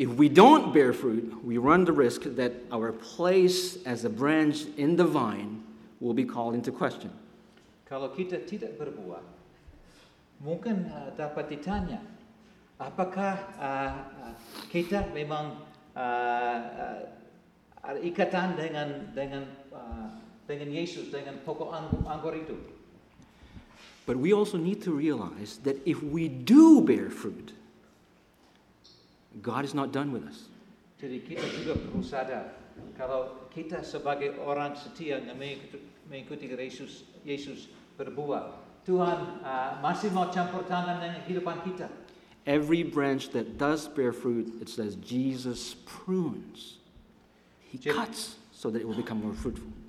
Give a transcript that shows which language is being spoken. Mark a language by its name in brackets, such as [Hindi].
[English] If we don't bear fruit, we run the risk that our place as a branch in the vine will be called into question. [Indonesian] Kalau kita tidak berbuah, mungkin dapat ditanya, apakah kita memang ada ikatan dengan Yesus, dengan pokok anggur itu? [English] But we also need to realize that if we do bear fruit, God is not done with us. [Indonesian] Jadi kita juga perlu sadar, kalau kita sebagai orang setia yang mengikuti Yesus berbuah, Tuhan masih mau campur tangan dengan kehidupan kita. [English] Every branch that does bear fruit, it says Jesus prunes. He cuts so that it will become more fruitful.